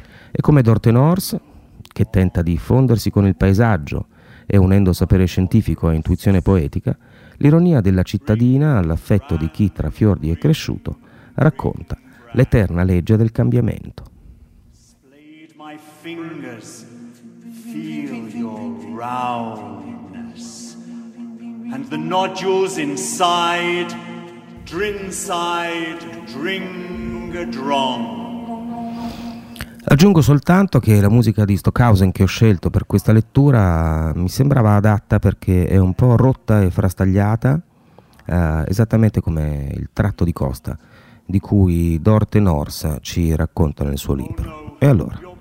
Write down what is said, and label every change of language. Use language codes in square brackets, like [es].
[it] E come Dorte Nors, che tenta di fondersi con il paesaggio e unendo sapere scientifico a intuizione poetica, l'ironia della cittadina all'affetto di chi tra fiordi è cresciuto racconta l'eterna legge del cambiamento. [en] Fingers, feel your roundness, and the nodules inside, drin side, dring a drum. [it] Aggiungo soltanto che la musica di Stockhausen che ho scelto per questa lettura mi sembrava adatta perché è un po' rotta e frastagliata, esattamente come il tratto di costa di cui Dorte Nors ci racconta nel suo libro. E allora,